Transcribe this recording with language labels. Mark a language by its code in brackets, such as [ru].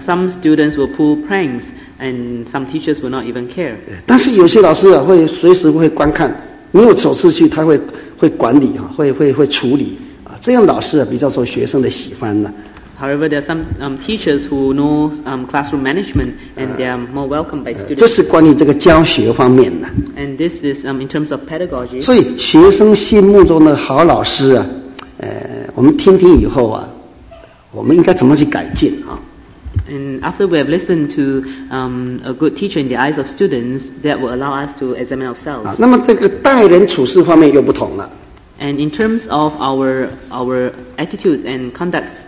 [en] some students will pull pranks, and some teachers will not even care. [zh] 但是有些老师啊,会随时会观看,没有走出去,他会管理,会处理。这样老师比较受学生的喜欢呢。 [en] However, there are some teachers who know classroom management, and they are more welcomed by students. [zh] 这是关于这个教学方面的。 [en] And this is in terms of pedagogy. [zh] 所以学生心目中的好老师啊，我们听听以后啊，我们应该怎么去改进啊？ [en] And after we have listened to a good teacher in the eyes of students, that will allow us to examine ourselves. [zh] 那么这个待人处事方面又不同了。 [en] And in terms of our attitudes and conducts.